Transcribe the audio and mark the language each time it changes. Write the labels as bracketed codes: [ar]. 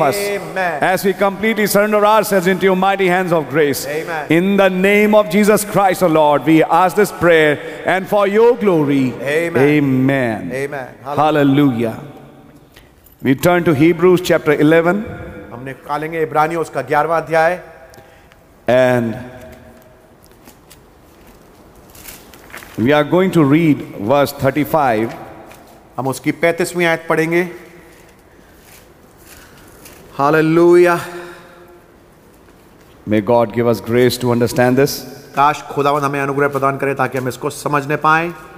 [en] Amen. Us as we completely surrender ourselves into your mighty hands of grace. Amen. In the name of Jesus Christ, O Lord, we ask this prayer and for your glory. Amen. Amen. Amen. Hallelujah. Hallelujah. We turn to Hebrews chapter 11. [hi] हमने कालेंगे इब्रानियों उसका 11वां अध्याय. [en] And we are going to read verse 35. [hi] हम उसकी 35वीं आयत पढ़ेंगे. Hallelujah. [en] May God give us grace to understand this. [hi] काश खुदावंद हमें अनुग्रह प्रदान करे ताकि हम इसको समझने पाए.